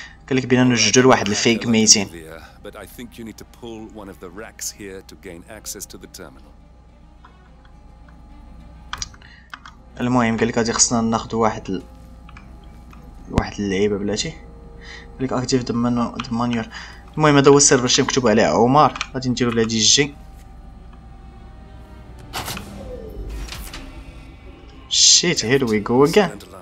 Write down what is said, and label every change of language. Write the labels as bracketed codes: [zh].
[ar] قالك بينا نوجدو لواحد الفيك ميتين. [en] But I think you need to pull one of the racks here to gain access to the terminal. [ar] المهم قال لك غادي خصنا ناخذ واحد اللعيبه بلاتي قال لك [en] Active the manual. [ar] المهم هذا هو السيرفر اللي مكتوب عليه عمر غادي نديرو له دي جي شيت [en] Here we go again.